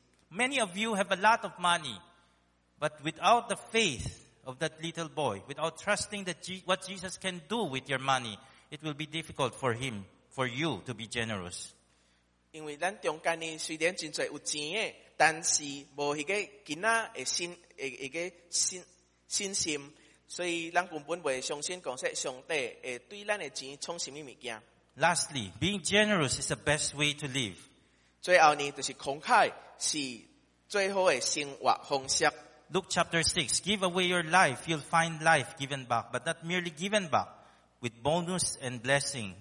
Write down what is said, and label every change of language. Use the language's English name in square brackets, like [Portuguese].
[English] Many of you have a lot of money, but without the faith of that little boy, without trusting that what Jesus can do with your money, it will be difficult for him, for you to be generous. [Min Nan Chinese] 因为咱中间呢，虽然真侪有钱嘅，但是无迄个囡仔嘅信心，所以咱根本未相信讲说上帝会对咱嘅钱创什么物件。 [English] Lastly, being generous is the best way to live. [Min Nan Chinese] 最后呢，就是慷慨是最好嘅生活方式。 [English] Luke chapter 6, give away your life, you'll find life given back, but not merely given back, with bonus and blessing.